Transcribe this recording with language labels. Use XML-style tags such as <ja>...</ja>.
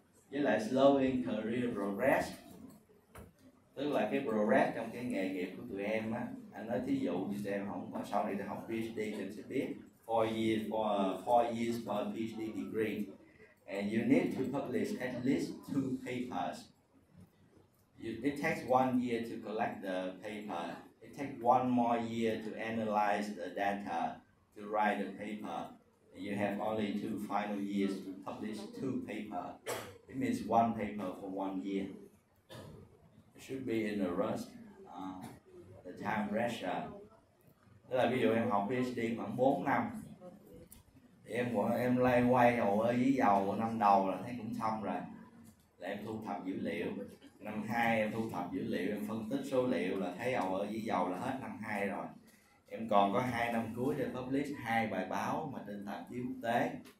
<vi>Với lại</vi> <en>slowing career progress</en> <vi>tức là cái progress trong cái nghề nghiệp của tụi em á, anh nói thí dụ như tụi em không có sau này tụi học PhD thì sẽ biết</vi> <en>4 years for a PhD degree and you need to publish at least 2 papers, it takes 1 year to collect the paper, it takes 1 more year to analyze the data to write a paper, and you have only 2 final years to publish 2 papers. It means 1 paper for 1 year. It should be in a rush, the time pressure.</en> <vi>Tức là ví dụ em học PhD khoảng 4 năm thì em lay quay hồ ơi với dầu, năm đầu là thấy cũng xong rồi, là em thu thập dữ liệu. Năm 2 em thu thập dữ liệu, em phân tích số liệu là thấy hồ ơi với dầu là hết năm 2 rồi. Em còn có 2 năm cuối để publish 2 bài báo mà trên tạp chí quốc tế.</vi>